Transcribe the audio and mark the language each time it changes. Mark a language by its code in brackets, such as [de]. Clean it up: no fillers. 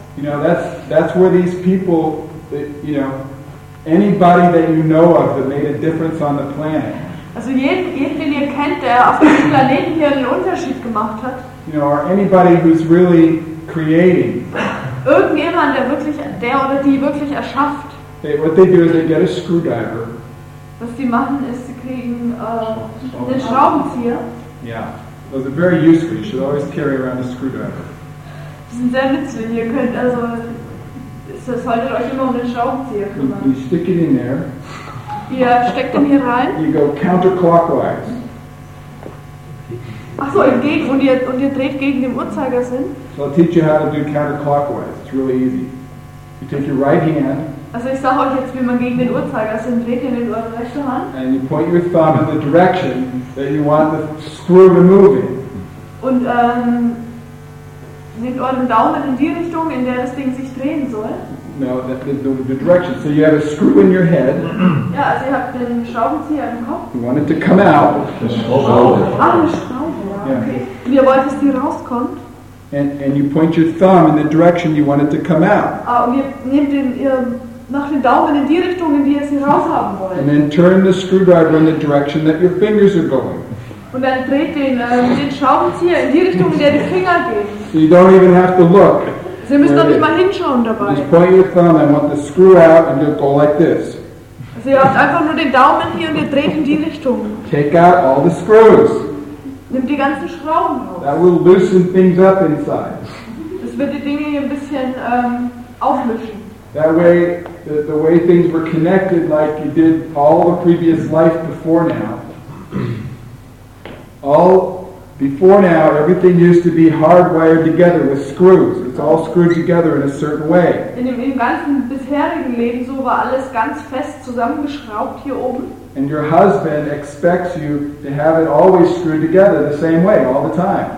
[en] You know, that's where these people, you know, anybody that you know of that made a difference on the planet. [de] Also jeden, den ihr kennt, der auf diesem Planeten hier einen Unterschied gemacht hat. [en] You know, or anybody who's really creating. [de] Irgendjemand, der wirklich, der oder die wirklich erschafft. [en] They, what they do is they get a screwdriver. [de] Was sie machen, ist, sie kriegen einen Schraubenzieher. [en] Yeah, those are very useful. You should always carry around a screwdriver. [de] Die sind sehr nützlich. Ihr könnt also, solltet euch immer um den Schraubenzieher kümmern. [en] You stick it in there. [de] Ihr steckt ihn hier rein. [en] You go counterclockwise. [de] Ach so, ihr geht und ihr dreht gegen den Uhrzeigersinn. [en] So I'll teach you how to do counterclockwise. It's really easy. You take your right hand. [de] Also ich sage euch jetzt, wie man gegen den Uhrzeigersinn dreht, in den rechten Hand. [en] And you point your thumb in the direction that you want the screw to move in. [de] Und nehmt euren Daumen in die Richtung, in der das Ding sich drehen soll. [en] No, the direction. So you have a screw in your head. [de] Ja, also ihr habt den Schraubenzieher im Kopf. [en] You want it to come out. [de] Ah, eine Schraube, ja. Okay. Und ihr wollt, dass die rauskommt. [en] And you point your thumb in the direction you want it to come out. [de] Ah, und ihr nehmt den, ihr macht den Daumen in die Richtung, in die ihr sie raushaben wollt. [en] And then turn the screwdriver in the direction that your fingers are going. [de] Und dann dreht den Schraubenzieher in die Richtung, in der die Finger gehen. [en] So you don't even have to look. [de] Sie müssen doch nicht mal hinschauen dabei. [en] Just point your thumb and want the screw out and you'll go like this. [de] Also ihr habt einfach nur den Daumen hier und ihr dreht in die Richtung. [en] Take out all the screws. [de] Nimm die ganzen Schrauben raus. [en] That will loosen things up inside. [de] Das wird die Dinge hier ein bisschen aufmischen. [en] That way, the way things were connected like you did all the previous life before now. All before now, everything used to be hardwired together with screws. It's all screwed together in a certain way. [de] In dem ganzen bisherigen Leben so war alles ganz fest zusammengeschraubt hier oben. [en] And your husband expects you to have it always screwed together the same way all the time.